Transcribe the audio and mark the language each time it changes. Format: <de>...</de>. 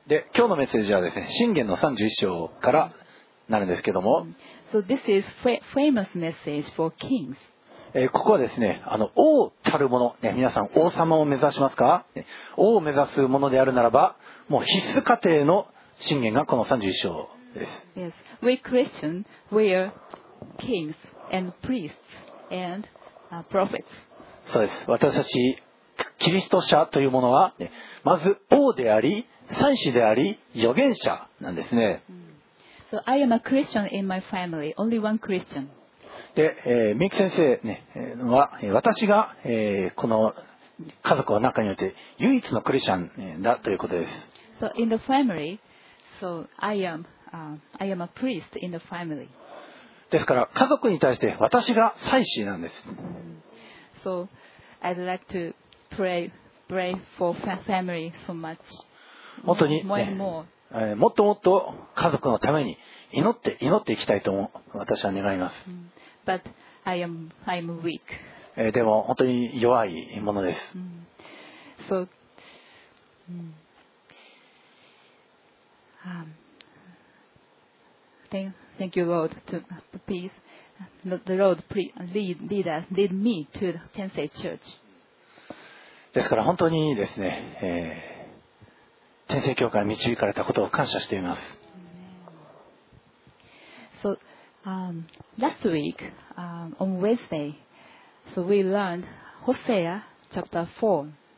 <ja>で今日のメッセージはですね、箴言の31章からなるんですけども、</ja> <en>So this is famous message for kings.</en> <ja>ここはですね、あの王たるもの、ね、皆さん王様を目指しますか？王を目指すものであるならば、もう必須過程の箴言がこの31章です。</ja> <en>Yes, we Christians we are kings and priests and prophets.</en> <ja>そうです。私たちキリスト者というものは、ね、まず王であり、祭司であり、預言者なんですね。</ja> <en>So I am a Christian in my family, only one Christian.</en> <ja>で、ミク先生は、私が、この家族の中において唯一のクリスチャンだということです。</ja> <en>So in the family, so I am a priest in the family.</en> <ja>ですから家族に対して私が祭司なんです。</ja> <en>So I'd like to pray for family so much.</en> <ja>本当に、ね。</ja> <en>More.</en> <ja>もっともっと家族のために祈っていきたいと思う、私は願います。</ja> <en>But I'm weak.</en> <ja>でも本当に弱いものです。</ja> <en>So, thank you, Lord, to please the Lord lead us, lead me to the Tensei Church.</en> <ja>ですから本当にですね。先生教会に導かれたことを感謝しています。</ja> <en>So, last week, on Wednesday, so we learned Hosea chapter 4.</en>